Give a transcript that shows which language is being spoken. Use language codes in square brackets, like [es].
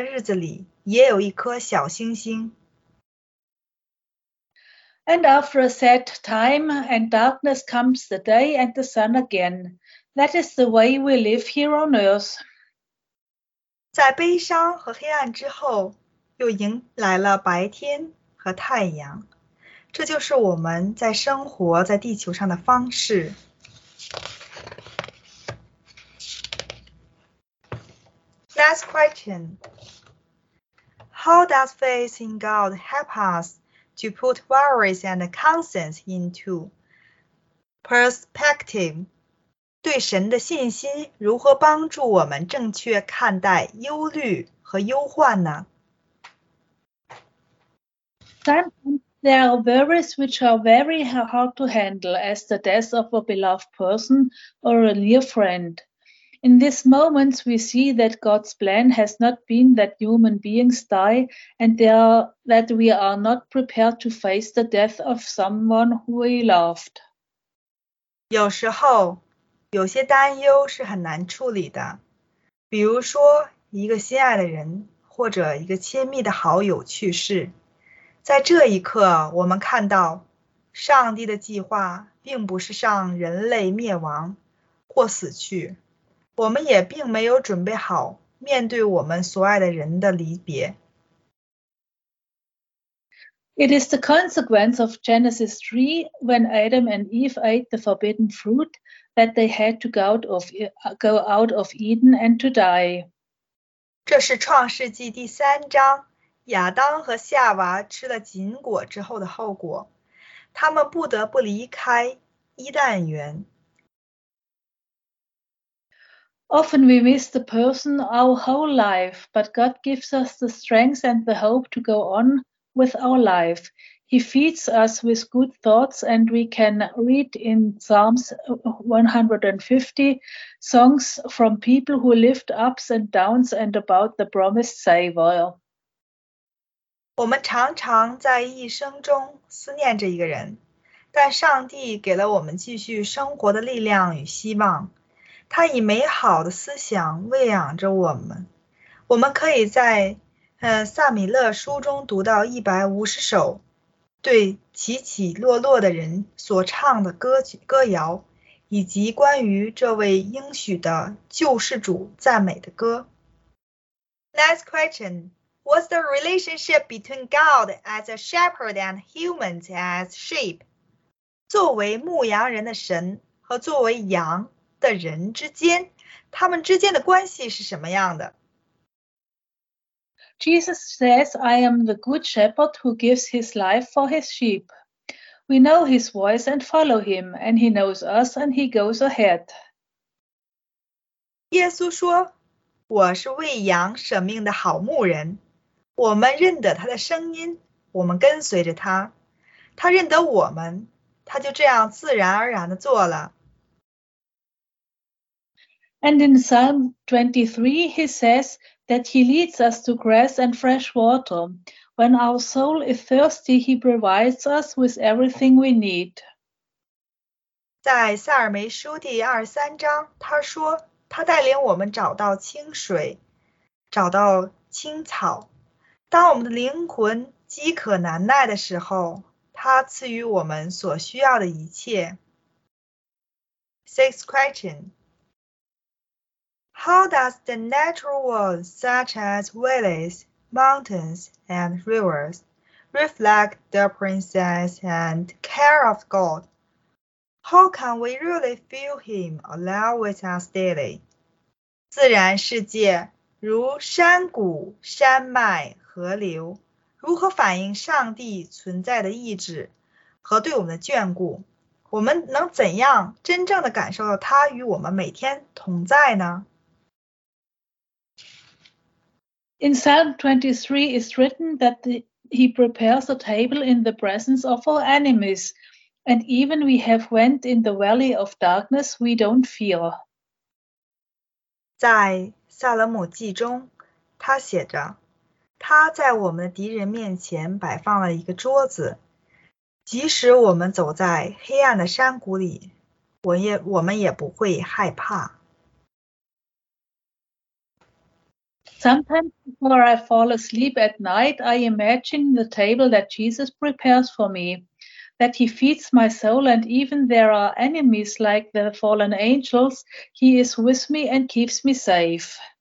[zh] 正因为如此，我写下了这句话。当生活非常艰难和烦恼的时候，上帝给予我们希望，扶持我们。他在黑暗中发出光明。当我们感到悲伤、绝望的时候，我祈祷：“今天给我一件快乐的事情吧。”他回答说：“即使在悲伤的日子里，也有一颗小星星。” [en] And after a sad time and darkness comes the day and the sun again. That is the way we live here on earth. [zh] 在悲伤和黑暗之后，又迎来了白天和太阳。这就是我们在生活在地球上的方式。 [en] Last question. How does faith in God help us to put worries and concerns into perspective? [zh] 对神的信心如何帮助我们正确看待忧虑和忧患呢？ [en] There are worries which are very hard to handle, as the death of a beloved person or a near friend. In these moments, we see that God's plan has not been that human beings die, and that we are not prepared to face the death of someone who we loved. [zh] 有时候，有些担忧是很难处理的，比如说一个心爱的人或者一个亲密的好友去世。在这一刻，我们看到上帝的计划并不是让人类灭亡或死去，我们也并没有准备好面对我们所爱的人的离别。 [en] It is the consequence of Genesis 3 when Adam and Eve ate the forbidden fruit that they had to go out of Eden and to die. [zh] 这是创世纪第三章。亚当和夏娃吃了禁果之后的后果，他们不得不离开伊甸园。 [en] Often we miss the person our whole life, but God gives us the strength and the hope to go on with our life. He feeds us with good thoughts, and we can read in Psalms 150 songs from people who lived ups and downs and about the promised Savior. [zh] 我们常常在一生中思念着一个人，但上帝给了我们继续生活的力量与希望。他以美好的思想喂养着我们。我们可以在萨米勒书中读到150首对起起落落的人所唱的歌谣，以及关于这位应许的救世主赞美的歌。 [en] Next question. What's the relationship between God as a shepherd and humans as sheep? [zh] 作为牧羊人的神和作为羊的人之间，他们之间的关系是什么样的？ [en] Jesus says, I am the good shepherd who gives his life for his sheep. We know his voice and follow him, and he knows us and he goes ahead. [zh] 耶稣说，我是喂羊舍命的好牧人。我们认得他的声音，我们跟随着他，他认得我们，他就这样自然而然地做了。 [en] And in Psalm 23, he says that he leads us to grass and fresh water. When our soul is thirsty, he provides us with everything we need. [zh] 在撒尔梅书第23章，他说，他带领我们找到清水，找到青草。当我们的灵魂饥渴难耐的时候，他赐予我们所需要的一切。 [en] Sixth question. How does the natural world, such as valleys, mountains, and rivers, reflect the presence and care of God? How can we really feel Him along with us daily? [zh] 自然世界如山谷、山脉、河流，如何反映上帝存在的意志和对我们的眷顾？我们能怎样真正的感受到他与我们每天同在呢？ [en] In Psalm 23 is written that he prepares a table in the presence of our enemies, and even we have went in the valley of darkness, we don't fear. [zh] 在撒勒姆记中，他写着，他在我们的敌人面前摆放了一个桌子，即使我们走在黑暗的山谷里，我们也不会害怕。 [en] Sometimes before I fall asleep at night, I imagine the table that Jesus prepares for me, that he feeds my soul, and even there are enemies like the fallen angels, he is with me and keeps me safe.